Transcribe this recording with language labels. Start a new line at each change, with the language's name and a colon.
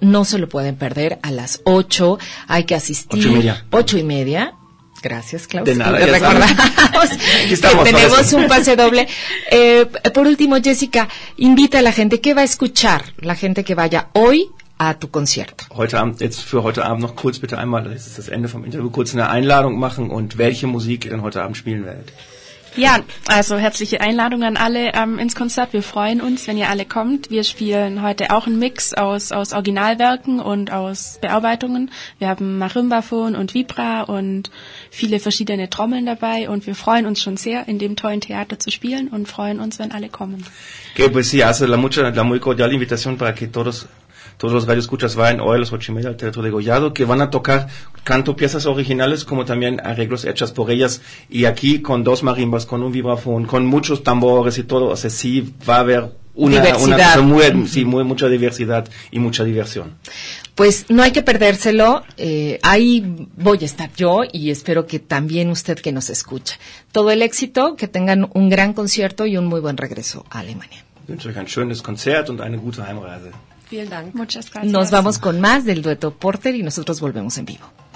Spanish: No se lo pueden perder, a las 8 hay que asistir. 8:30. Gracias, Klaus. De nada, ya recordamos estamos, que tenemos un pase doble. Por último, Jessica, invita a la gente. ¿Qué va a escuchar la gente que vaya hoy a tu concierto?
German: Heute Abend, jetzt für heute Abend noch kurz bitte einmal, das ist das Ende vom Interview, kurz eine Einladung machen und welche Musik ihr denn heute Abend spielen werdet. Ja, also herzliche Einladung an alle ins Konzert. Wir freuen uns, wenn ihr alle kommt. Wir spielen heute auch einen Mix aus Originalwerken und aus Bearbeitungen. Wir haben Marimbafon und Vibra und viele verschiedene Trommeln dabei. Und wir freuen uns schon sehr, in dem tollen Theater zu spielen, und freuen uns, wenn alle kommen.
Spanish: Okay, pues sí, hace la muy cordial invitación para que todos los radioescuchas vayan hoy a las 8:30 al Teatro Degollado, que van a tocar tanto piezas originales como también arreglos hechas por ellas, y aquí con dos marimbas, con un vibrafón, con muchos tambores y todo. O sea, sí va a haber una cosa mucha diversidad y mucha diversión. Pues no hay que perdérselo, ahí voy a estar yo, y espero que también usted que nos escucha. Todo el éxito, que tengan un gran concierto y un muy buen regreso a Alemania.
German: Wünsche euch ein schönes Konzert und eine gute Heimreise. Vielen Dank.
Spanish: Muchas gracias. Nos vamos con más del dueto Porter y nosotros volvemos en vivo.